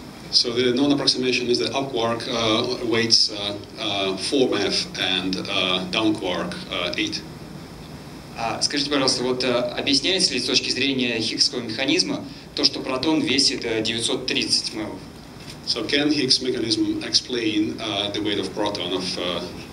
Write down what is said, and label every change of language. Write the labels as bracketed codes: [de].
[en] So the known approximation is that up quark weights 4 MeV and down quark 8. [ru] Скажите, пожалуйста, вот объясняется ли с точки зрения Хиггсского механизма то, что протон весит 930 MeV? [en] So can Higgs mechanism explain the weight of proton of